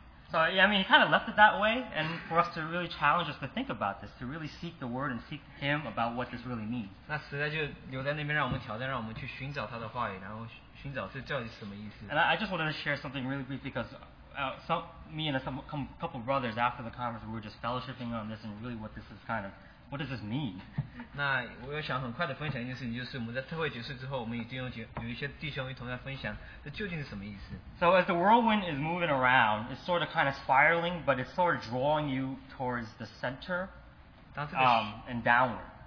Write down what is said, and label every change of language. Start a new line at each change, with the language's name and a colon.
English: So, yeah, I mean, he kind of left it that way, and for us to really challenge us to think about this, to really seek the Word and seek Him about what this really means. And I just wanted to share something really brief, because me and a couple of brothers, after the conference, we were just fellowshipping on this, and really what this is kind of, what does this mean?
Chinese: 那我想很快的分享一件事情，就是我们在特会结束之后，我们已经有一些弟兄一同在分享，这究竟是什么意思？
English: So as the whirlwind is moving around, it's sort of kind of spiraling, but it's sort of drawing you towards the center, and downward.